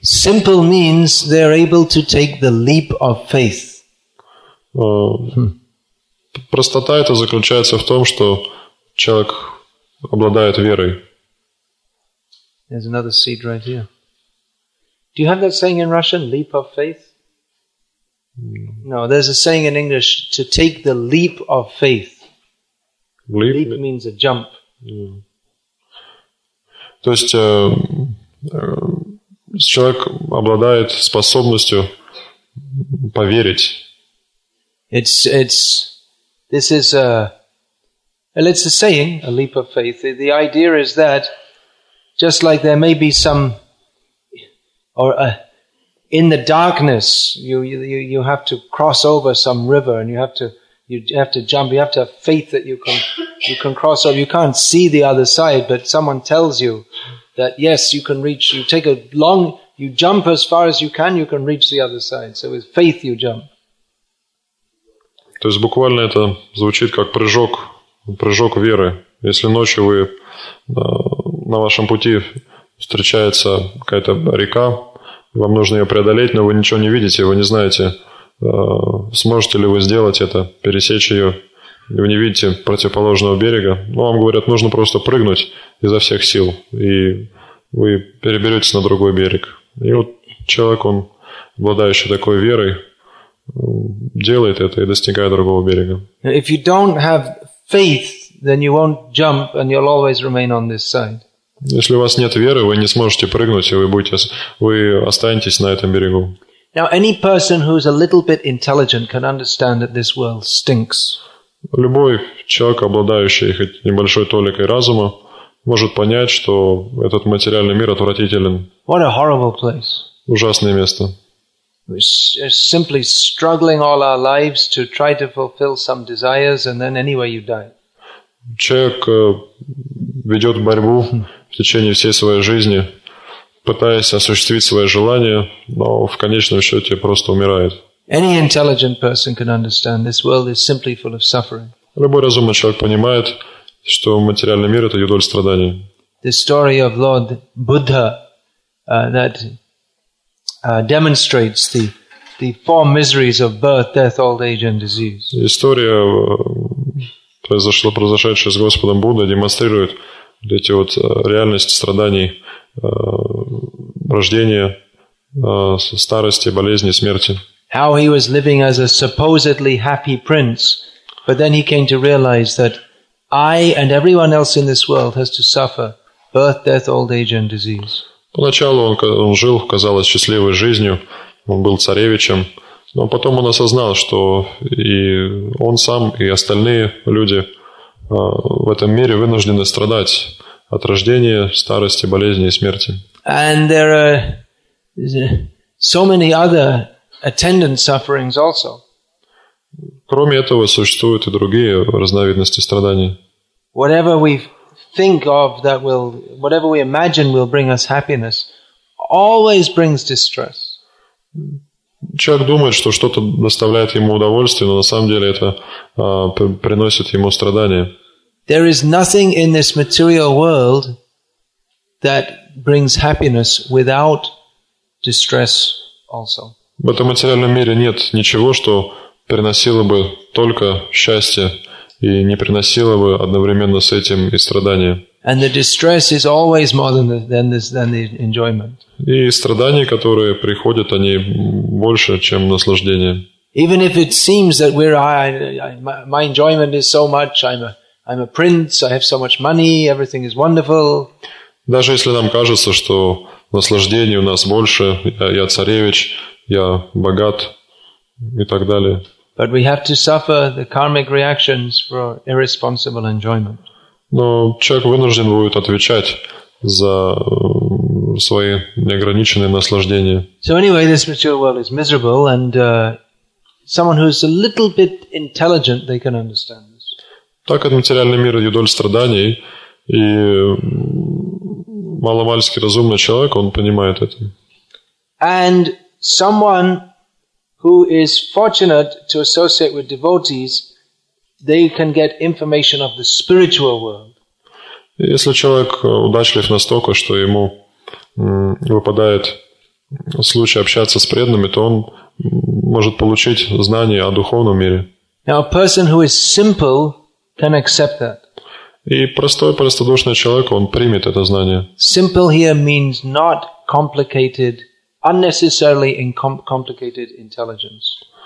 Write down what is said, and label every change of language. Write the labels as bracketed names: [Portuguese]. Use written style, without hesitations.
[English] Simple means they're able to take the leap of faith. [Russian] Простота это заключается в том, что человек обладает верой. [English] There's another seed right here. Do you have that saying in Russian, leap of faith? No, there's a saying in English, to take the leap of faith. Leap means a jump. [Russian] То есть человек обладает способностью поверить. [English] It's a saying, a leap of faith. The idea is that just like there may be some in the darkness, you have to cross over some river, and you have to jump. You have to have faith that you can cross over. You can't see the other side, but someone tells you that yes, you can reach. You take a long, you jump as far as you can reach the other side. So with faith, you jump. [Russian] То есть буквально это звучит как прыжок веры. Если ночью вы на вашем пути встречается какая-то река. Вам нужно ее преодолеть, но вы ничего не видите, вы не знаете, сможете ли вы сделать это, пересечь ее, и вы не видите противоположного берега. Но вам говорят, нужно просто прыгнуть изо всех сил, и вы переберетесь на другой берег. И вот человек, он, обладающий такой верой, делает это и достигает другого берега. [English] If you don't have faith, then you won't jump and you'll always remain on this side. [Russian] Если у вас нет веры, вы не сможете прыгнуть, и вы останетесь на этом берегу. [English] Now, any person who is a little bit intelligent can understand that this world stinks. [Russian] Любой человек, обладающий хоть небольшой толикой разума, может понять, что этот материальный мир отвратителен. [English] What a horrible place. [Russian] Ужасное место. [English] We're simply struggling all our lives to try to fulfill some desires, and then anyway you die. [Russian] Человек ведет борьбу в течение всей своей жизни, пытаясь осуществить свои желания, но в конечном счете просто умирает. [English] Any intelligent person can understand this world is simply full of suffering. [Russian] Любой разумный человек понимает, что материальный мир – это юдоль страданий. [English] The story of Lord Buddha demonstrates the four miseries of birth, death, old age and disease. [Russian] История, произошедшая с Господом Буддой, демонстрирует эти вот реальность страданий рождения, старости, болезни, смерти. [English] How he was living as a supposedly happy prince, but then he came to realize that I and everyone else in this world has to suffer birth, death, old age and disease. [Russian] Поначалу он жил, казалось, счастливой жизнью, он был царевичем, но потом он осознал, что и он сам, и остальные люди в этом мире вынуждены страдать от рождения, старости, болезни и смерти. [English] And there are so many other attendant sufferings also. [Russian] Кроме этого, существуют и другие разновидности страданий. [English] Whatever we think of that will, whatever we imagine will bring us happiness, always brings distress. [Russian] Человек думает, что что-то доставляет ему удовольствие, но на самом деле это приносит ему страдания. [English] There is nothing in this material world that brings happiness without distress also. [Russian] В этом материальном мире нет ничего, что приносило бы только счастье и не приносило бы одновременно с этим и страдания. [English] And the distress is always more than the enjoyment. [Russian] И страдания, которые приходят, они больше, чем наслаждение. [English] Even if it seems that my enjoyment is so much, I'm a prince, I have so much money, everything is wonderful. [Russian] Даже если нам кажется, что наслаждений у нас больше, я царевич, я богат и так далее. [English] But we have to suffer the karmic reactions for irresponsible enjoyment. [Russian] Но человек вынужден будет отвечать за свои неограниченные наслаждения. [English] So anyway, this material world is miserable, and someone who is a little bit intelligent, they can understand this. [Russian] Так этот материальный мир юдоль страданий, и маломальски разумный человек, он понимает это. [English] And someone who is fortunate to associate with devotees, they can get information of the spiritual world. [Russian] Если человек удачлив настолько, что ему выпадает случай общаться с преданными, то он может получить знания о духовном мире. [English] Now, a person who is simple can accept that. [Russian] И простой, простодушный человек, он примет это знание. [English] Simple here means not complicated, unnecessarily complicated intelligence.